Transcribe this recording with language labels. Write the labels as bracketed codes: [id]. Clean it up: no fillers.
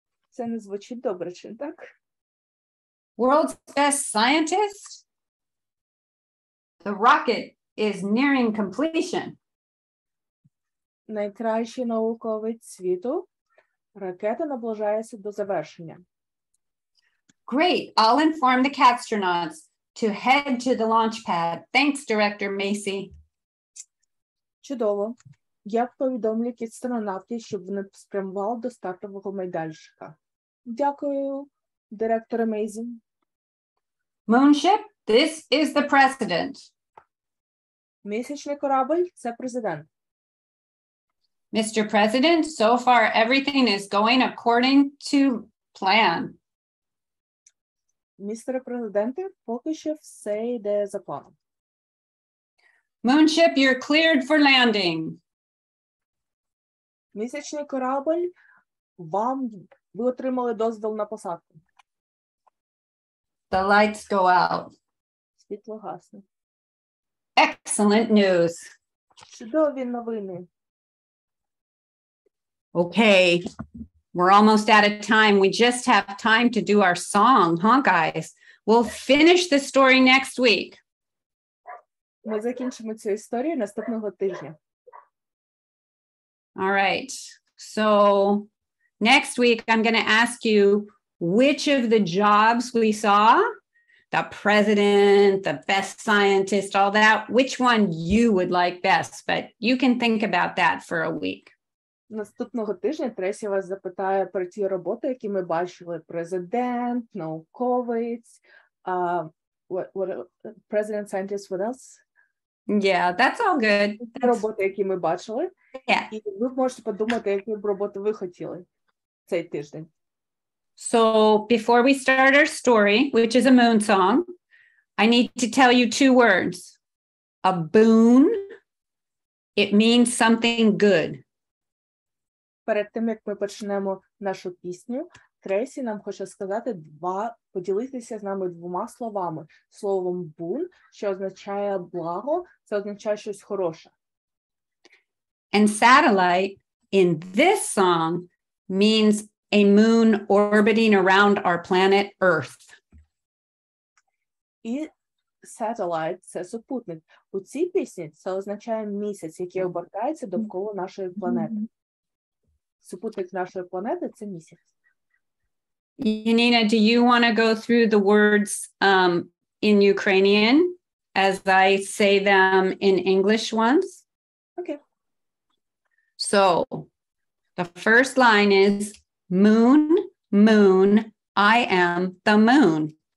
[uk] Це не звучить добре, чи так? [en] World's best scientist? The rocket is nearing completion. [uk] Найкращий науковець світу? Ракета наближається до завершення. [en] Great, I'll inform the CatStronauts to head to the launch pad. Thanks, Director Macy. [uk] Чудово. Я повідомлю кіт-астронавтів, щоб вони спрямували до стартового майданчика. Дякую, директор Мейзі. [en] Moonship, this is the president. [uk] Місячний корабль, це президент. [en] Mr. President, so far everything is going according to plan. [uk] Містер президенте, поки що все йде за планом. [en] Moonship, you're cleared for landing. [uk] Місячний корабль, вам ви отримали дозвіл на посадку. [en] The lights go out. [uk] Світло гасне. [en] Excellent news. [uk] Чудові новини. [en] Okay, we're almost out of time. We just have time to do our song, huh, guys? We'll finish the story next week. [uk] Ми закінчимо цю історію наступного тижня. [en] All right, so next week I'm going to ask you which of the jobs we saw, the president, the best scientist, all that, which one you would like best, but you can think about that for a week. [uk] Наступного тижня Тресі вас запитає про ті роботи, які ми бачили, президент, науковець, [en] what president, scientist, what else? Yeah, that's all good. That's... [uk] роботи, які ми бачили. [en] Yeah. [uk] І ви можете подумати, які б роботи ви хотіли цей тиждень. [en] So, before we start our story, which is a moon song, I need to tell you two words. A boon, it means something good. [uk] Перед тим, як ми почнемо нашу пісню, Тресі нам хоче сказати два, поділитися з нами двома словами. Словом boon, що означає благо, це означає щось хороше. [en] And satellite, in this song, means a moon orbiting around our planet Earth. [uk] І satellite, це супутник. У цій пісні це означає місяць, який обертається довкола нашої планети. Супутник нашої планети – це місяць. [en] Yanina, do you want to go through the words in Ukrainian as I say them in English once? Okay. So, the first line is moon, moon, I am the moon.